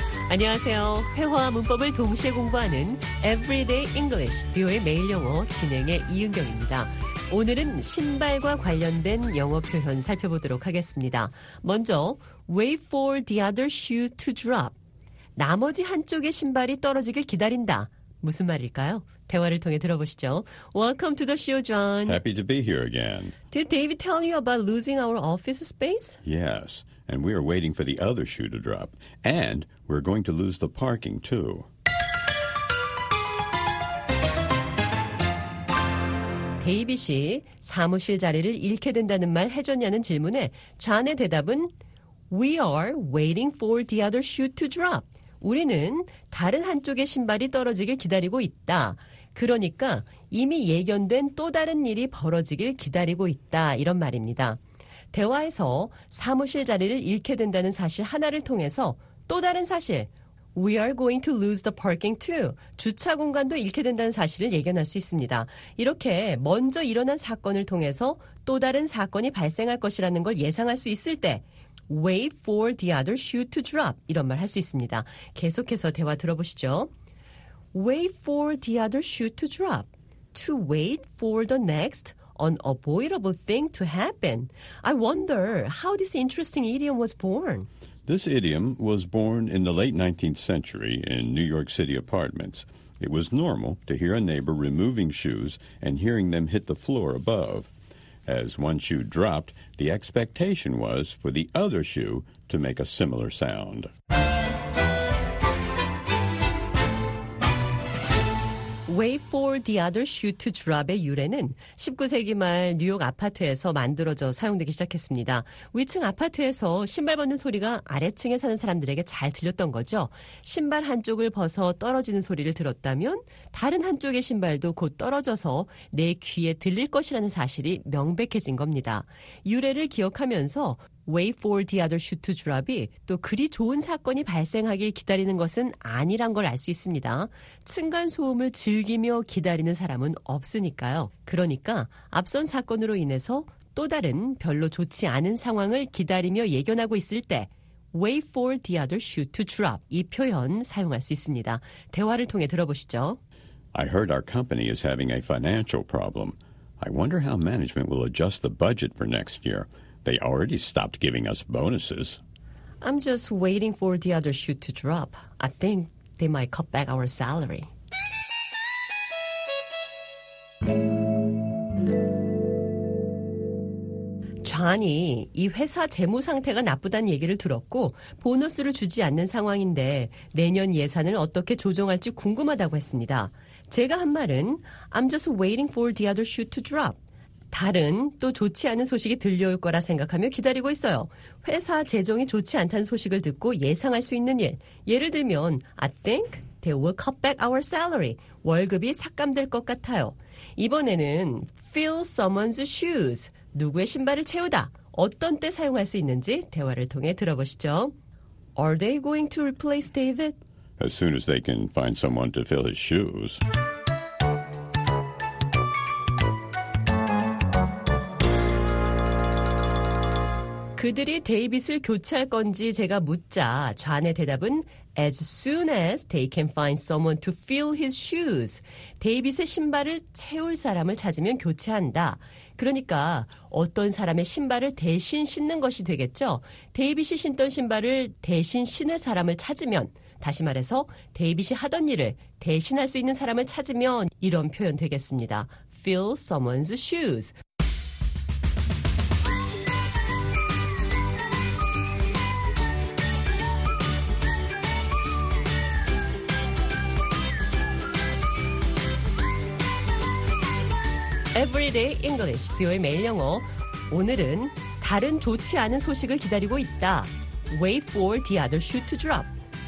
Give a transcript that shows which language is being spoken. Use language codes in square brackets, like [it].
[ko] 안녕하세요. 회화와 문법을 동시에 공부하는 Everyday English, 뷰의 매일 영어 진행의 이은경입니다. 오늘은 신발과 관련된 영어 표현 살펴보도록 하겠습니다. [en] 먼저, wait for the other shoe to drop. [ko] 나머지 한쪽의 신발이 떨어지길 기다린다. 무슨 말일까요? 대화를 통해 들어보시죠. [en] Welcome to the show, John. Happy to be here again. Did David tell you about losing our office space? Yes, and we are waiting for the other shoe to drop. And we're going to lose the parking, too. [ko] David이 사무실 자리를 잃게 된다는 말 해줬냐는 질문에 John의 대답은 [en] We are waiting for the other shoe to drop. [ko] 우리는 다른 한쪽의 신발이 떨어지길 기다리고 있다. 그러니까 이미 예견된 또 다른 일이 벌어지길 기다리고 있다. 이런 말입니다. 대화에서 사무실 자리를 잃게 된다는 사실 하나를 통해서 또 다른 사실, [en] We are going to lose the parking too. [ko] 주차 공간도 잃게 된다는 사실을 예견할 수 있습니다. 이렇게 먼저 일어난 사건을 통해서 또 다른 사건이 발생할 것이라는 걸 예상할 수 있을 때 [en] Wait for the other shoe to drop. [ko] 이런 말 할 수 있습니다. 계속해서 대화 들어보시죠. [en] Wait for the other shoe to drop. To wait for the next unavoidable thing to happen. I wonder how this interesting idiom was born. This idiom was born in the late 19th century in New York City apartments. It was normal to hear a neighbor removing shoes and hearing them hit the floor above. As one shoe dropped, the expectation was for the other shoe to make a similar sound. Wait for the other shoe to drop의 [ko] 유래는 19세기 말 뉴욕 아파트에서 만들어져 사용되기 시작했습니다. 위층 아파트에서 신발 벗는 소리가 아래층에 사는 사람들에게 잘 들렸던 거죠. 신발 한쪽을 벗어 떨어지는 소리를 들었다면 다른 한쪽의 신발도 곧 떨어져서 내 귀에 들릴 것이라는 사실이 명백해진 겁니다. 유래를 기억하면서 [en] Wait for the other shoe to drop이 [ko] 또 그리 좋은 사건이 발생하길 기다리는 것은 아니란 걸 알 수 있습니다. 층간소음을 즐기며 기다리는 사람은 없으니까요. 그러니까 앞선 사건으로 인해서 또 다른 별로 좋지 않은 상황을 기다리며 예견하고 있을 때 [en] Wait for the other shoe to drop [ko] 이 표현 사용할 수 있습니다. 대화를 통해 들어보시죠. [en] I heard our company is having a financial problem. I wonder how management will adjust the budget for next year. They already stopped giving us bonuses. I'm just waiting for the other shoe to drop. I think they might cut back our salary. [ko] 존이 이 회사 재무 상태가 나쁘다는 얘기를 들었고 보너스를 주지 않는 상황인데 내년 예산을 어떻게 조정할지 궁금하다고 했습니다. 제가 한 말은 [en] I'm just waiting for the other shoe to drop. [ko] 다른 또 좋지 않은 소식이 들려올 거라 생각하며 기다리고 있어요. 회사 재정이 좋지 않다는 소식을 듣고 예상할 수 있는 일. 예를 들면 [en] I think they will cut back our salary. [ko] 월급이 삭감될 것 같아요. 이번에는 [en] fill someone's shoes. [ko] 누구의 신발을 채우다. 어떤 때 사용할 수 있는지 대화를 통해 들어보시죠. [en] Are they going to replace David? As soon as they can find someone to fill his shoes. [ko] 그들이 데이빗을 교체할 건지 제가 묻자 존의 대답은 [en] As soon as they can find someone to fill his shoes. [ko] 데이빗의 신발을 채울 사람을 찾으면 교체한다. 그러니까 어떤 사람의 신발을 대신 신는 것이 되겠죠. 데이빗이 신던 신발을 대신 신을 사람을 찾으면 다시 말해서 데이빗이 하던 일을 대신할 수 있는 사람을 찾으면 이런 표현 되겠습니다. [en] Fill someone's shoes. [ko] 에브리데이 잉글리시 뷰의 매일 영어 오늘은 다른 좋지 않은 소식을 기다리고 있다. [en] Wait for the other shoe to drop. [ko] 누가 하던 일을 대신하다. [en] Fill someone's shoes.